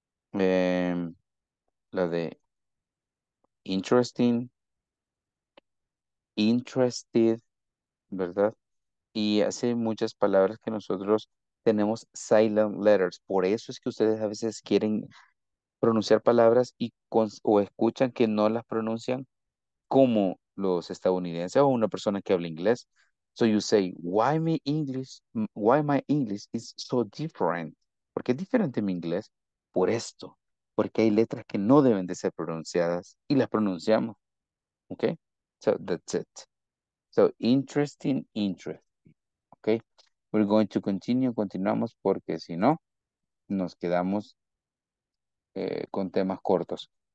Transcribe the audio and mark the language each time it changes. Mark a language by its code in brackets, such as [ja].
[es] La de interesting, interested, ¿verdad? Y hace muchas palabras que nosotros tenemos silent letters. Por eso es que ustedes a veces quieren pronunciar palabras y o escuchan que no las pronuncian como los estadounidenses o una persona que habla inglés. [en] So you say, why my English is so different? [es] ¿Por qué es diferente mi inglés? Por esto. Porque hay letras que no deben de ser pronunciadas y las pronunciamos. [en] ¿Ok? So that's it. So interesting, interesting. ¿Ok? We're going to continue. [es] Continuamos porque si no, nos quedamos con temas cortos.